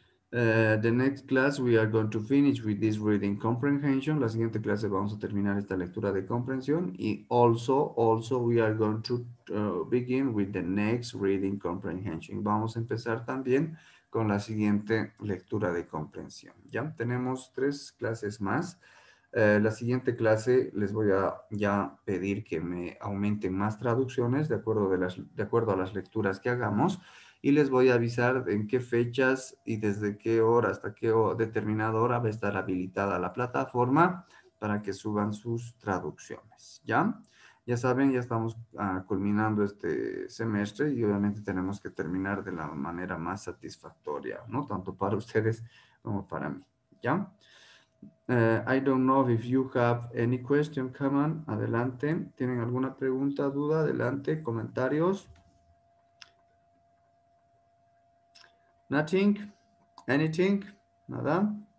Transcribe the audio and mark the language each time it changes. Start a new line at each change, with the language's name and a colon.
English: The next class we are going to finish with this reading comprehension.
Spanish: La siguiente clase vamos a terminar esta lectura de comprensión.
English: Y also we are going to begin with the next reading comprehension.
Spanish: Vamos a empezar también con la siguiente lectura de comprensión. Ya tenemos tres clases más. La siguiente clase les voy a ya pedir que me aumenten más traducciones de acuerdo a las lecturas que hagamos. Y les voy a avisar en qué fechas y desde qué hora hasta qué determinada hora va a estar habilitada la plataforma para que suban sus traducciones. ¿Ya? Ya saben, ya estamos culminando este semestre y obviamente tenemos que terminar de la manera más satisfactoria, ¿no? Tanto para ustedes como para mí. ¿Ya?
English: I don't know if you have any question, come on,
Spanish: adelante. ¿Tienen alguna pregunta, duda? Adelante, comentarios.
English: Nothing? Anything?
Spanish: Nada?